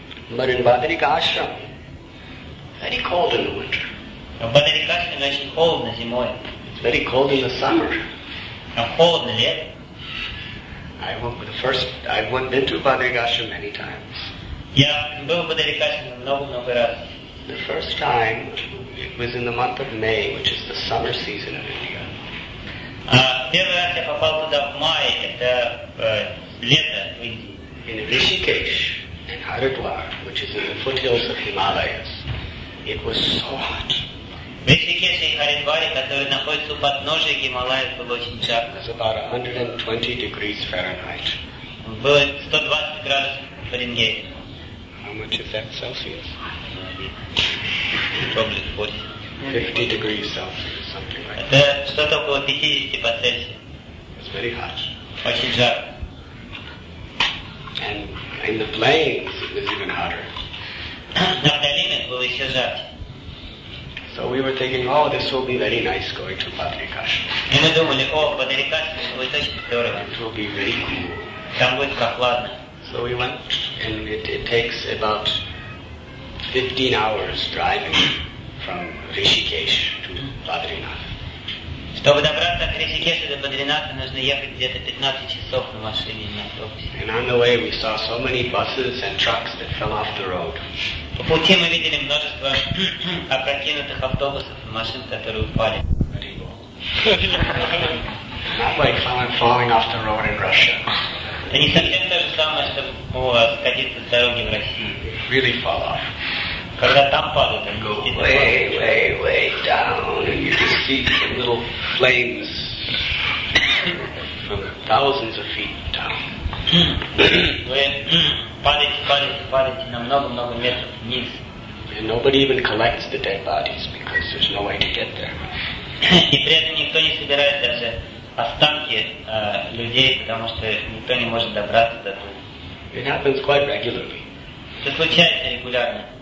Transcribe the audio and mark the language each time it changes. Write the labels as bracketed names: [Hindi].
[English] But in Бадрикашрам, very cold in the winter. [Russian] Но в Бадрикашрам очень холодно зимой. [English] It's very cold in the summer. [Russian] Но холодно лет. [English] I've been to Бадрикашрам many times. [Russian] Я был в Бадрикашрам много-много раз. [English] The first time, it was in the month of May, which is the summer season of India. [Russian] Первый раз я попал туда в мае, это лето в Индии. [English] In Rishikesh, in Haridwar, which is in the foothills of Himalayas, it was so hot. [Russian] В Rishikesh и Haridwar, которые находятся у подножия Гималаев, было очень жарко. [English] It was about 120 degrees Fahrenheit. [Russian] Было 120 градусов Фаренгейта. [English] How much is that Celsius? Probably 40. 50 degrees Celsius, something like that. [Russian] Это что-то около 50 по Цельсию. [English] It's very hot. [Russian] Очень жарко. [English] And in the plains, it was even hotter. [Russian] На долине было еще жарче. [English] So we were thinking, oh, this will be very nice going to Бадрикашрам. [Russian] И мы думали, о, Бадрикашрам будет очень здорово. [English] It will be very cool. [Russian] Там будет прохладно. [English] So we went, and it takes about 15 hours driving from Rishikesh to Badrinath. [Russian] Чтобы добраться от Ришикеша до Бадринатха, нужно ехать где-то 15 часов на машине, на автобусе. [English] And on the way we saw so many buses and trucks that fell off the road. [Russian] По пути мы видели множество опрокинутых автобусов и машин, которые упали. [English] Not like someone falling off the road in Russia. [Russian] Это не совсем то же самое, чтобы скатиться с дороги в России. [English] Really fall off. [Russian] Когда там падают, [English] go way, way, way down, and you can see the little flames from thousands of feet down. [Russian] Вы падаете, падаете, падаете на много-много метров вниз. [English] And nobody even collects the dead bodies because there's no way to get there. [Russian] И при этом никто не собирает даже останки людей, потому что никто не может добраться до этого. [English] It happens quite regularly. [Russian] Это случается регулярно.